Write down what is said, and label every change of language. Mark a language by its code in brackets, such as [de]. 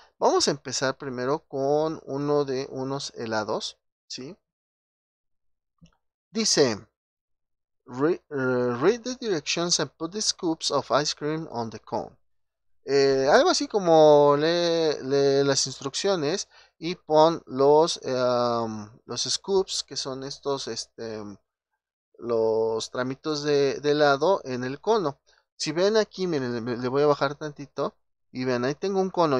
[es] Vamos a empezar primero con uno de unos helados, ¿sí? Dice, [en] read the directions and put the scoops of ice cream on the cone. [es] Algo así como lee las instrucciones y pon los scoops, que son estos, los tramitos de helado en el cono. Si ven aquí, miren, le voy a bajar tantito y vean, ahí tengo un cono.